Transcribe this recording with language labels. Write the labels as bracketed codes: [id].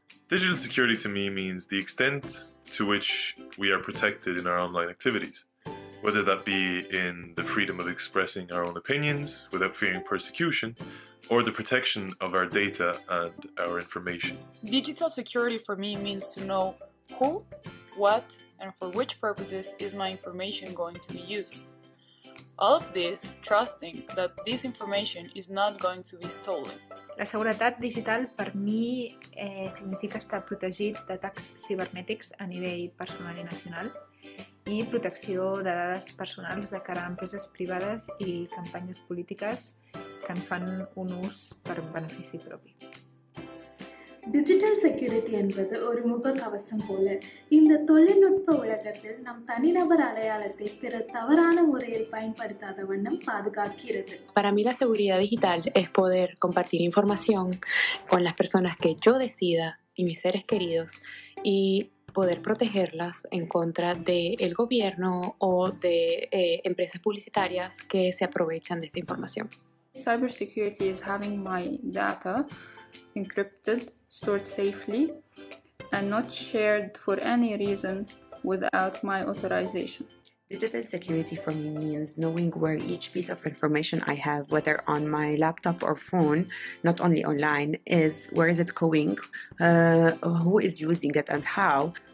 [en] Digital security to me means the extent to which we are protected in our online activities, whether that be in the freedom of expressing our own opinions without fearing persecution, or the protection of our data and our information. Digital security for me means to know who, what, and for which purposes is my information going to be used. All of this, trusting that this information is not going to be stolen. [ca] La seguretat digital per mi significa estar protegit d'atacs cibernètics a nivell personal i nacional i protecció de dades personals de cara a empreses privades i campanyes polítiques que en fan un ús per benefici propi. [ta] Digital security என்பது ஒரு முகக்கவசம் போல இந்த தொழில்நுட்ப உலகத்தில் நம் தனிநபர் அடையாளத்தை பிற தவறான முறையில் பயன்படுத்தாத வண்ணம் பாதுகாக்கிறது. [es] Para mí la seguridad digital es poder compartir información con las personas que yo decida y mis seres queridos y poder protegerlas en contra del gobierno o de empresas publicitarias que se aprovechan de esta información. [en] Cybersecurity is having my data encrypted, stored safely, and not shared for any reason without my authorization. Digital security for me means knowing where each piece of information I have, whether on my laptop or phone, not only online, is, where is it going, who is using it and how.